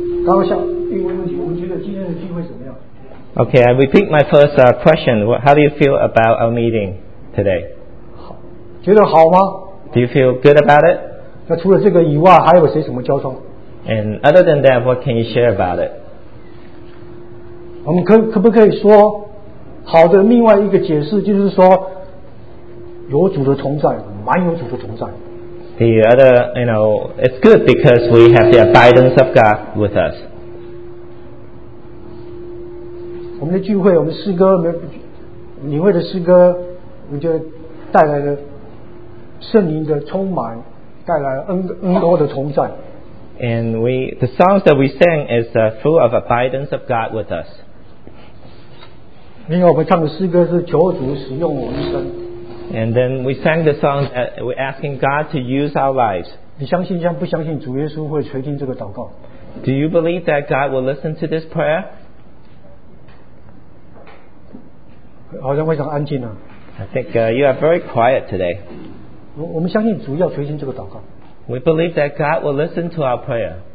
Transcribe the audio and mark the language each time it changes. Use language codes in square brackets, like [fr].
[zh] 刚刚下一个问题，我们觉得今天的聚会怎么样 [en] ？OK， I repeat my first question. How do you feel about our meeting today？ [zh] 好，觉得好吗 [en] ？Do you feel good about it？ [zh] 那除了这个以外，还有谁什么交通？ [en] And other than that, what can you share about it? [zh] 我们可不可以说好的另外一个解释就是说有主的同在，蛮有主的同在。 [en] The other, you know, it's good because we have the abundance of God with us. [zh] 我们的聚会，我们诗歌，你会的诗歌，我们就带来了圣灵的充满，带来恩高的同在。 [en] And we, the songs that we sang is full of abundance of God with us. [zh] 因为我们唱的诗歌是求主使用我一生。 [en] And then we sang the song that we're asking God to use our lives. [zh] 你相信不相信主耶稣会垂听这个祷告？ [en] Do you believe that God will listen to this prayer? [zh] 好像非常安静啊。 [en] I think you are very quiet today. [zh] 我们相信主要垂听这个祷告。 [en] We believe that God will listen to our prayer.